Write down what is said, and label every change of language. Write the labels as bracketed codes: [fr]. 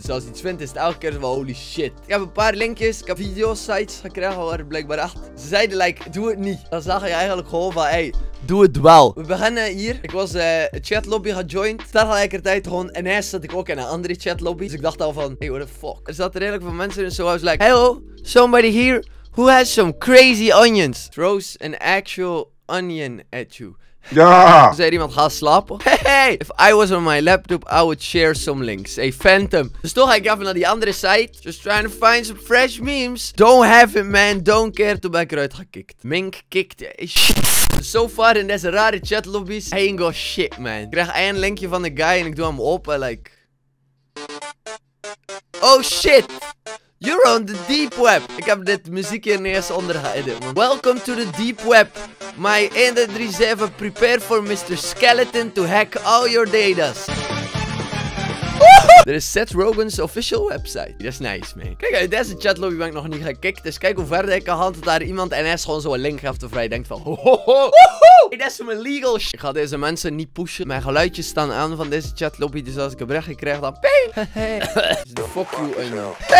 [nl] Dus als je iets vindt, is het elke keer wel holy shit. Ik heb een paar linkjes. Ik heb videosites gekregen waar blijkbaar echt... Ze zeiden, like, doe het niet. Dan zag je eigenlijk gewoon van, hey, doe het wel. We beginnen hier. Ik was chatlobby gejoind. Tegelijkertijd gewoon ineens zat ik ook in een andere chatlobby. Dus ik dacht al van, hey, [en] what the fuck. [nl] Er zaten redelijk veel mensen in, [en] so I was like, hello, somebody here. Who has some crazy onions? Throws an actual onion at you. [nl] Ja! Zei iemand, ga slapen. [en] Hey, if I was on my laptop, I would share some links. Hey, Phantom. [nl] Dus toch ga ik even naar die andere site. [en] Just trying to find some fresh memes. Don't have it, man. Don't care. [nl] Toen ben ik eruit gekikt. Mink kikt. So far in deze rare chatlobby's. [en] I ain't got shit, man. [nl] Ik krijg een linkje van de guy en ik doe hem open. Like... [en] Oh, shit! You're on the deep web. [nl] Ik heb dit muziekje ineens ondergeëdit, man. [en] Welcome to the deep web. My 1337, prepare for Mr. Skeleton to hack all your data's. [nl] Er is Seth Rogen's official website. Dat is nice, man. Kijk, uit deze chatlobby ben ik nog niet gekikt. Dus kijk hoe ver ik kan handen daar iemand NS gewoon zo'n link geeft. Of hij denkt van, ho. Hey, dat is mijn legal shit. Ik ga deze mensen niet pushen. Mijn geluidjes staan aan van deze chatlobby. Dus als ik een berichtje krijg, dan ping. [en] Hey. Fuck you, I know.